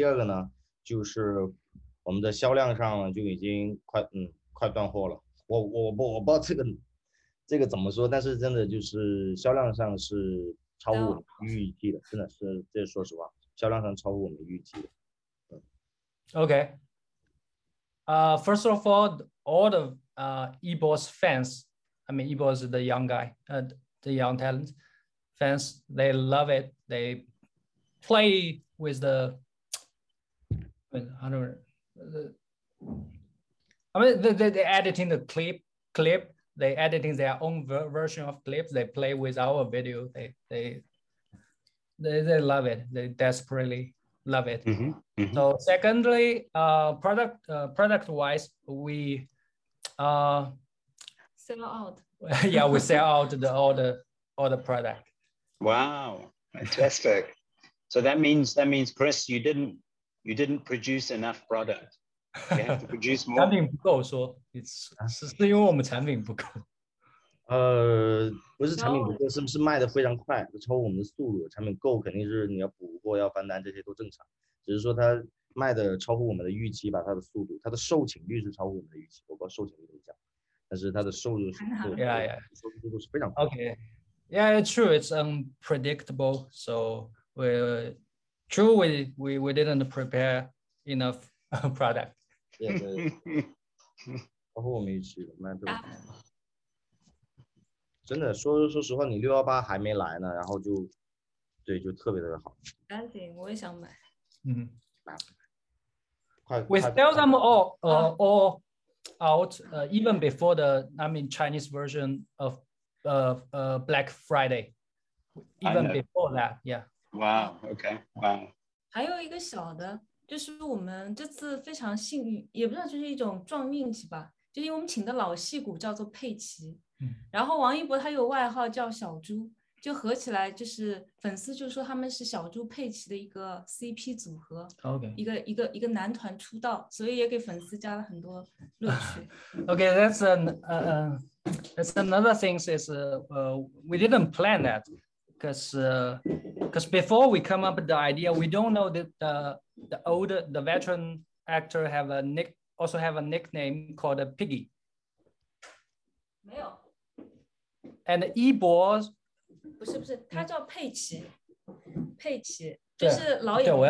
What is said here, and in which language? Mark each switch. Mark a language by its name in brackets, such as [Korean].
[Chinese] 第二个呢，就是我们的销量上就已经快断货了，我不知道这个怎么说，但是真的就是销量上是超乎我们预计的，真的是，这说实话，销量上超乎我们预计的。 [English] Okay. First of all the Ibo's fans, I mean Ibo's the young guy, the young talent fans, they love it. They play with the, they editing the clip, they editing their own version of clips, they play with our video, they love it, they desperately. Love it. Mm-hmm. So secondly, product wise, we sell out. Yeah, we sell out all the product. Wow, fantastic. So that means Chris, you didn't produce enough product. You have to produce more. [Chinese] 产品不够，说 是因为我们产品不够。不是产品不够，是不是卖的非常快，超过我们的速度？产品够肯定是你要补货、要翻单，这些都正常。只是说它卖的超乎我们的预期吧，它的速度、它的售罄率是超乎我们的预期。我不知道售罄率怎么讲，但是它的售出速度，售出速度是非常快。 [English] Okay, yeah, true, it's unpredictable. So we didn't prepare enough product. [Chinese] 对，超乎我们预期的卖的。真的说说实话，你六幺八还没来呢，然后就，对，就特别特别好。赶紧，我也想买。嗯，买，快。 [English] We sell them all out even before the I mean Chinese version of Black Friday, even before that, yeah. Wow. Okay. Wow. [Chinese] 还有一个小的，就是我们这次非常幸运，也不知道就是一种撞运气吧，就是我们请的老戏骨叫做佩奇。然后王一博他有外号叫小猪，就合起来就是粉丝就说他们是小猪佩奇的一个 CP 组合、 [English] okay. [Chinese] 一个男团出道，所以也给粉丝加了很多乐趣。 [English] OK, that's that's another thing is we didn't plan that because before we come up with the idea we don't know that the older the veteran actor have a also have a nickname called a piggy. [Chinese] 没有。 [English] And 一博， [Chinese] 不是不是，他叫佩奇，佩奇就是老演员。